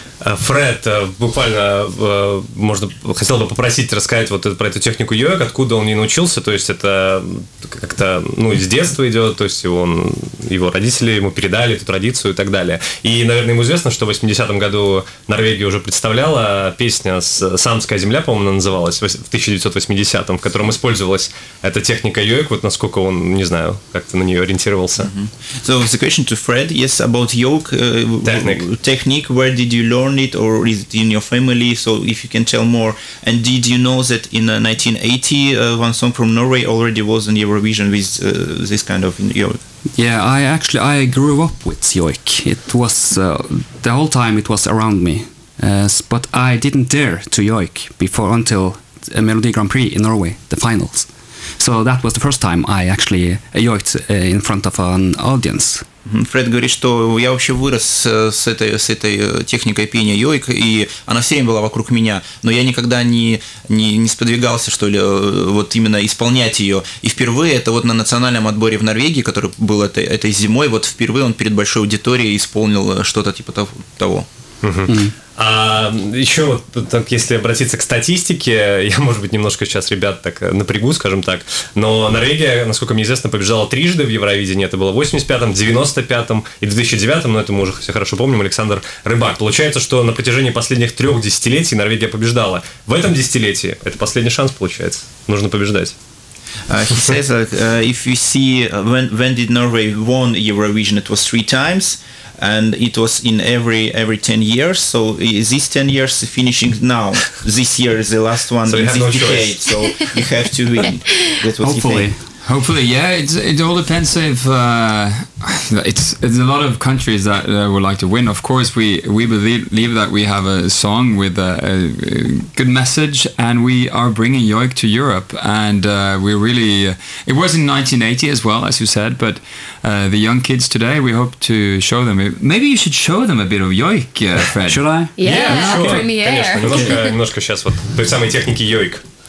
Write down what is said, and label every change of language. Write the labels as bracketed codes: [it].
[ru] Фред, буквально хотел бы попросить рассказать вот про эту технику йоик, откуда он не научился, то есть это как-то, ну, из детства идет, то есть его родители ему передали эту традицию и так далее. И, наверное, ему известно, что в 80-м году Норвегия уже представляла песня «Самская земля», по-моему, она называлась, в 1980-м, в котором использовалась эта техника йоик, вот насколько он, не знаю, как-то на нее ориентировался. Mm-hmm. [en] So, the question to Fred, yes, about yoke, technique, where did you learn it, or is it in your family? So if you can tell more. And did you know that in 1980 one song from Norway already was in Eurovision with this kind of yoik? Yeah, I grew up with yoik. It was the whole time it was around me, but I didn't dare to yoik before until Melody Grand Prix in Norway, the finals. So that was the first time I actually yoiked in front of an audience. [ru] Фред говорит, что я вообще вырос с этой техникой пения йоик, и она все время была вокруг меня, но я никогда не сподвигался, что ли, вот именно исполнять ее. И впервые это вот на национальном отборе в Норвегии, который был этой зимой, вот впервые он перед большой аудиторией исполнил что-то типа того. А еще вот, так, если обратиться к статистике, я, может быть, немножко сейчас ребят так напрягу, скажем так, но Норвегия, насколько мне известно, побежала трижды в Евровидении, это было в 85-м, 95-м и 2009-м, но это мы уже все хорошо помним, Александр Рыбак. Получается, что на протяжении последних трех десятилетий Норвегия побеждала. В этом десятилетии это последний шанс, получается, нужно побеждать. [en] He says that if you see when did Norway won Eurovision, it was three times, and it was in every 10 years. So this 10 years finishing now. This year is the last one so in this no decade. Choice. So you have to win. That's what Hopefully. You think. Hopefully, yeah. It all depends if it's a lot of countries that would like to win. Of course, we believe that we have a song with a good message, and we are bringing yoik to Europe. And we really, it was in 1980 as well, as you said. But the young kids today, we hope to show them. Maybe you should show them a bit of yoik, Fred. Should I? Yeah, sure. [ru] Конечно, немножко сейчас вот той самой техники йоик.